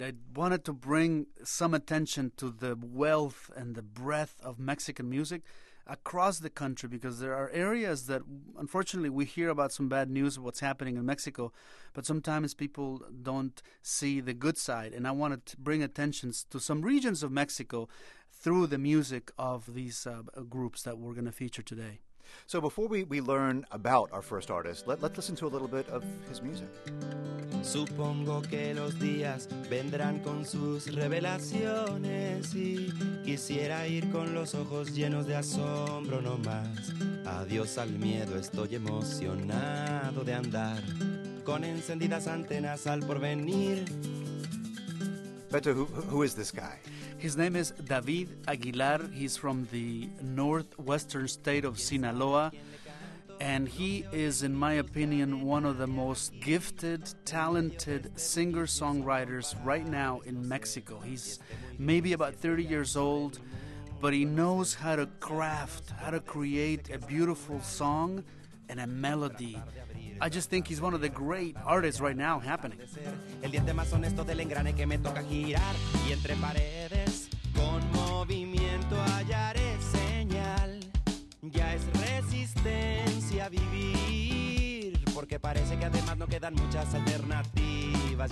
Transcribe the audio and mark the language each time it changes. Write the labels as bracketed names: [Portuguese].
[English] I wanted to bring some attention to the wealth and the breadth of Mexican music across the country, because there are areas that, unfortunately, we hear about some bad news of what's happening in Mexico, but sometimes people don't see the good side. And I wanted to bring attention to some regions of Mexico through the music of these groups that we're going to feature today. So before we learn about our first artist, let's listen to a little bit of his music. [Spanish] Supongo que los días vendrán con sus revelaciones y quisiera ir con los ojos llenos de asombro no más. Adiós al miedo, estoy emocionado de andar con encendidas antenas al porvenir. [English] Beto, who is this guy? His name is David Aguilar. He's from the northwestern state of Sinaloa. And he is, in my opinion, one of the most gifted, talented singer-songwriters right now in Mexico. He's maybe about 30 years old, but he knows how to craft, how to create a beautiful song and a melody. I just think he's one of the great artists right now happening. [Spanish] El diente más honesto del engrane que me toca girar. Y entre paredes, con movimiento hallaré señal. Ya es resistencia vivir. Porque parece que además no quedan muchas alternativas.